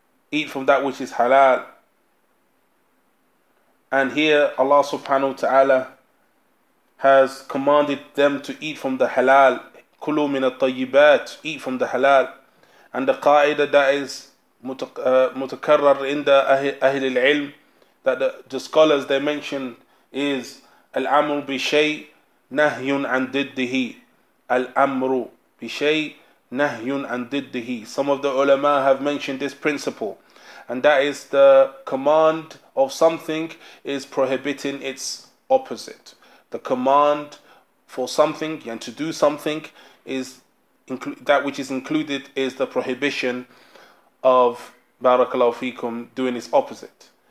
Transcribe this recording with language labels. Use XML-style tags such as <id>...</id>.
<en>Eat from that which is halal. And here Allah subhanahu wa ta'ala has commanded them to eat from the halal.</en> <ar>Kulu min at-tayyibat.</ar> <en>Eat from the halal. And the qaida that is</en> <ar>متكرر عند أهل العلم</ar> <en>that the scholars they mention is</en> <ar>الأمر بشيء نهي عن ضده الأمر بشيء نهي عن ضده.</ar> <en>Some of the ulama have mentioned this principle, and that is the command of something is prohibiting its opposite. The command for something and to do something is that which is included is the prohibition of barakallahu fikum doing its opposite.</en>